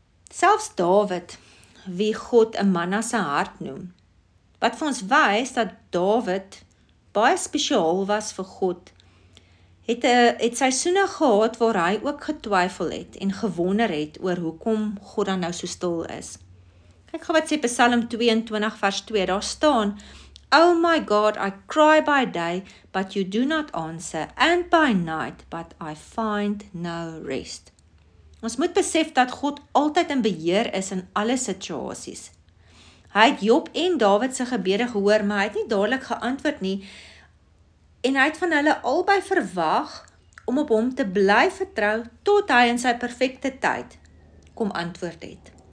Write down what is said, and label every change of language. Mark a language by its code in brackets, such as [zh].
[af] Selfs Dawid, wie God 'n man na sy hart noem, wat vir ons wys dat Dawid baie spesiaal was vir God, het seisoene gehad waar hy ook getwyfel het en gewonder het oor hoekom God dan nou so stil is. Kyk gou wat sê Psalm 22 vers 2, daar staan: [en] "Oh my God, I cry by day, but you do not answer, and by night, but I find no rest." [af] Ons moet besef dat God altyd in beheer is in alle situasies. Hy het Job en Dawid se gebede gehoor, maar hy het nie dadelik geantwoord nie. En hy het van hulle albei verwag om op hom te bly vertrou tot hy in sy perfekte tyd kom antwoord het.